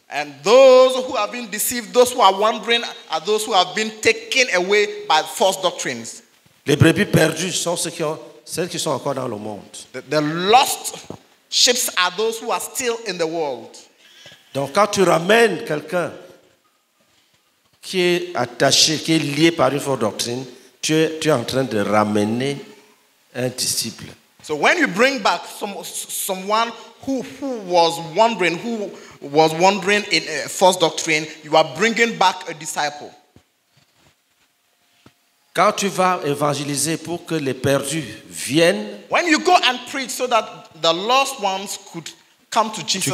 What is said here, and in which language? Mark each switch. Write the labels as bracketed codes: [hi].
[en] And those who have been deceived, those who are wandering, are those who have been taken away by false doctrines. [fr] Les brebis perdues sont celles qui sont encore dans le monde. [en] The lost sheep are those who are still in the world. [fr] Donc quand tu ramènes quelqu'un qui est attaché, qui est lié par une forte doctrine, tu es en train de ramener un disciple. [en] So when you bring back someone who was wandering, in a false doctrine, you are bringing back a disciple. [fr] Quand tu vas évangéliser pour que les perdus viennent, [en] when you go and preach so that the lost ones could come to Jesus,